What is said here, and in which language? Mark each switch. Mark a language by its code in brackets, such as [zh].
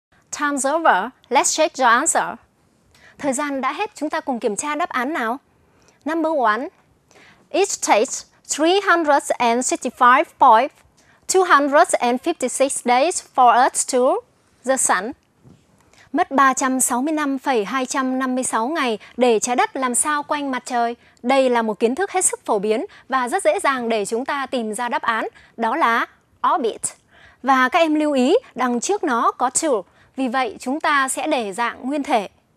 [en] Time's over. Let's check your answer. [vi] Thời gian đã hết, chúng ta cùng kiểm tra đáp án nào. [en] Number 1. It takes 365.256 days for us to the sun. [vi] Mất 365,256 ngày để trái đất làm sao quanh mặt trời. Đây là một kiến thức hết sức phổ biến và rất dễ dàng để chúng ta tìm ra đáp án. Đó là orbit. Và các em lưu ý, đằng trước nó có to. Vì vậy, chúng ta sẽ để dạng nguyên thể.